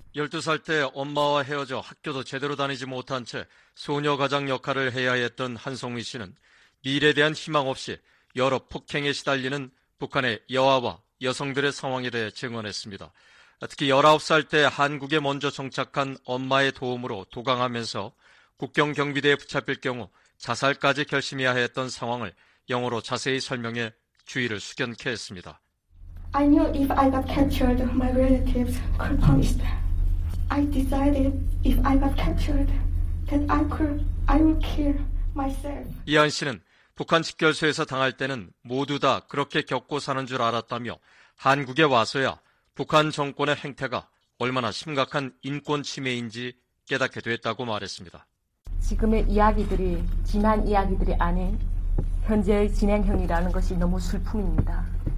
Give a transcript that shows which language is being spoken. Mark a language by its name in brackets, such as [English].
[Korean] 12살 때 엄마와 헤어져 학교도 제대로 다니지 못한 채 소녀가장 역할을 해야 했던 한송희 씨는 미래에 대한 희망 없이 여러 폭행에 시달리는 북한의 여아와 여성들의 상황에 대해 증언했습니다. 특히 19살 때 한국에 먼저 정착한 엄마의 도움으로 도강하면서 국경경비대에 붙잡힐 경우 자살까지 결심해야 했던 상황을 영어로 자세히 설명해 주의를 숙연케 했습니다. [English] I knew if I got captured, my relatives could punish them. I decided if I got captured, that I would kill myself. [Korean] 이한 씨는 북한 집결소에서 당할 때는 모두 다 그렇게 겪고 사는 줄 알았다며 한국에 와서야 북한 정권의 행태가 얼마나 심각한 인권 침해인지 깨닫게 됐다고 말했습니다. 지금의 이야기들이 지난 이야기들이 아닌 현재의 진행형이라는 것이 너무 슬픔입니다.